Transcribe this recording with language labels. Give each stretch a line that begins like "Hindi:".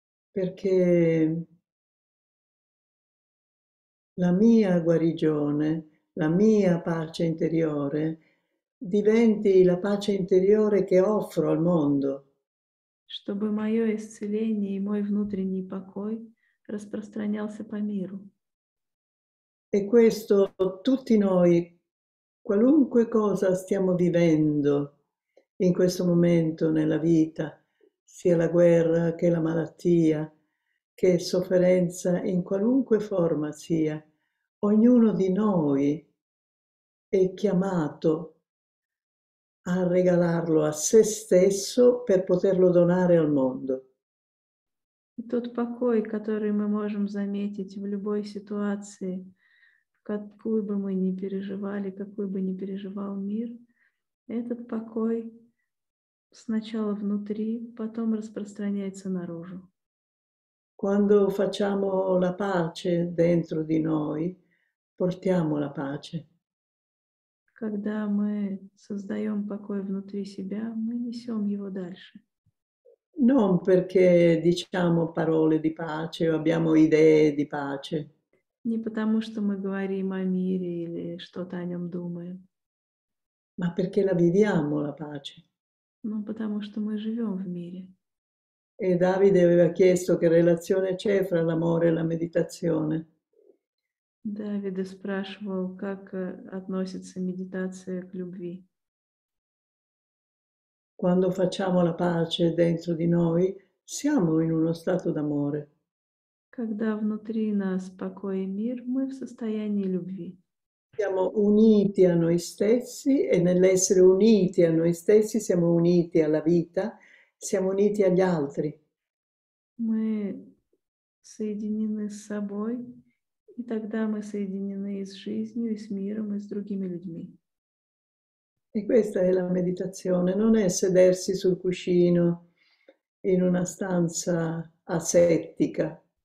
Italian: Perché la mia guarigione, la mia pace interiore diventi la pace interiore che offro al mondo.
Russian: Чтобы мое исцеление и мой внутренний покой распространялся по миру.
Italian: E questo tutti noi, qualunque cosa stiamo vivendo in questo momento nella vita, sia la guerra che la malattia, che sofferenza in qualunque forma sia, ognuno di noi è chiamato a regalarlo a se stesso per poterlo donare al mondo.
Russian: И тот покой, который мы можем заметить в любой ситуации, какую бы мы ни переживали, какой бы ни переживал мир, этот покой сначала внутри, потом распространяется наружу.
Italian: Quando facciamo la pace dentro di noi, portiamo la pace.
Russian: Когда мы создаем покой внутри себя, мы несем его дальше.
Italian: Non perché diciamo parole di pace o abbiamo idee di pace.
Russian: Не потому, что мы говорим о мире или что-то о нем думаем,
Italian: Ma perché la viviamo la pace.
Russian: но потому, что мы живем в мире.
Italian: E Davide aveva chiesto che relazione c'è fra l'amore e la meditazione.
Russian: Давид спрашивал, как относится медитация к любви.
Italian: Quando facciamo la pace dentro di noi, siamo in uno stato d'amore.
Russian: Когда внутри нас покой и мир, мы в состоянии любви.
Italian: Siamo uniti a noi stessi e nell'essere uniti a noi stessi siamo uniti alla vita, siamo uniti agli altri.
Russian: Мы соединены с собой, и тогда мы соединены и с жизнью, и с миром, и с другими людьми.
Italian: E questa è la meditazione, non è sedersi sul cuscino in una stanza asettica.